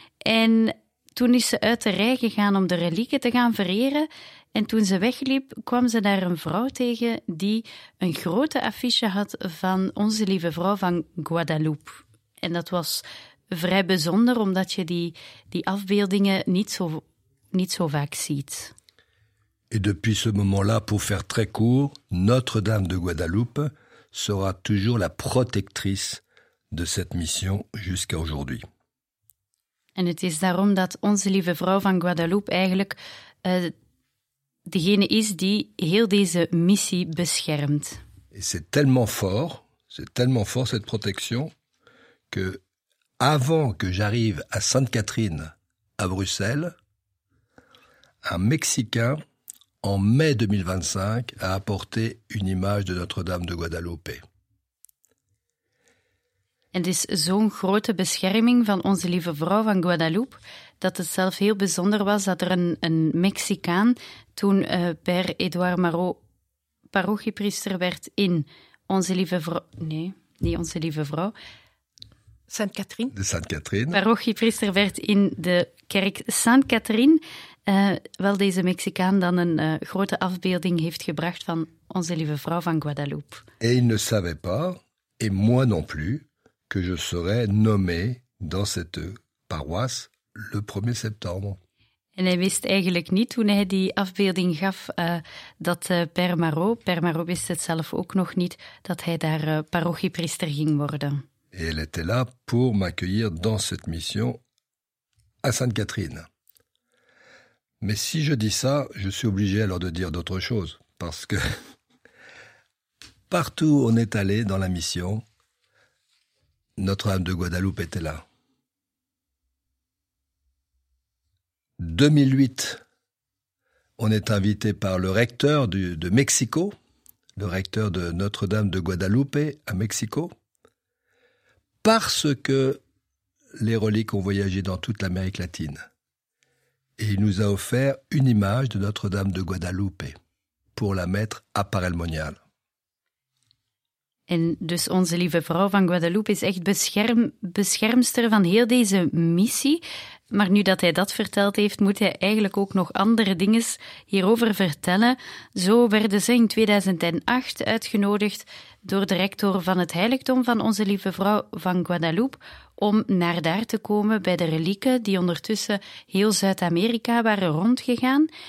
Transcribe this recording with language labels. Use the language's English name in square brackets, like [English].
[Dutch] En toen is ze uit de rij gegaan om de relieken te gaan vereren. En toen ze wegliep, kwam ze daar een vrouw tegen die een grote affiche had van Onze Lieve Vrouw van Guadeloupe. En dat was vrij bijzonder, omdat je die afbeeldingen niet zo vaak ziet. [French] Et depuis ce moment-là, pour faire très court, Notre-Dame de Guadeloupe sera toujours la protectrice de cette mission jusqu'à aujourd'hui. [Dutch] En het is daarom dat Onze Lieve Vrouw van Guadeloupe eigenlijk degene is die heel deze missie beschermt. [French] Et c'est tellement fort cette protection que avant que j'arrive à Sainte-Catherine à Bruxelles, un Mexicain en mai 2025 a apporté une image de Notre-Dame de Guadeloupe. [Dutch] En het is zo'n grote bescherming van Onze Lieve Vrouw van Guadeloupe dat het zelf heel bijzonder was dat er een Mexicaan toen per Edouard Marot parochiepriester werd in Onze Lieve Vrouw... Nee, niet Onze Lieve Vrouw. Sainte-Catherine. De Sainte-Catherine. Parochiepriester werd in de kerk Sainte-Catherine. Wel deze Mexicaan dan een grote afbeelding heeft gebracht van Onze Lieve Vrouw van Guadeloupe. [French] Et il ne savait pas, et moi non plus, que je serai nommé dans cette paroisse le 1er septembre. [Dutch] En hij wist eigenlijk niet toen hij die afbeelding gaf dat Père Marot wist het zelf ook nog niet, dat hij daar parochiepriester ging worden. [French] Et elle était là pour m'accueillir dans cette mission à Sainte-Catherine. Mais si je dis ça, je suis obligé alors de dire d'autres choses, parce que partout où on est allé dans la mission, Notre-Dame de Guadeloupe était là. 2008, on est invité par le recteur de Mexico, le recteur de Notre-Dame de Guadeloupe à Mexico, parce que les reliques ont voyagé dans toute l'Amérique latine. Et il nous a offert une image de Notre-Dame de Guadeloupe pour la mettre à part el monial. [Dutch] En dus Onze Lieve Vrouw van Guadeloupe is echt beschermster van heel deze missie. Maar nu dat hij dat verteld heeft, moet hij eigenlijk ook nog andere dingen hierover vertellen. Zo werden ze in 2008 uitgenodigd door de rector van het heiligdom van Onze Lieve Vrouw van Guadeloupe om naar daar te komen bij de relieken die ondertussen heel Zuid-Amerika waren rondgegaan.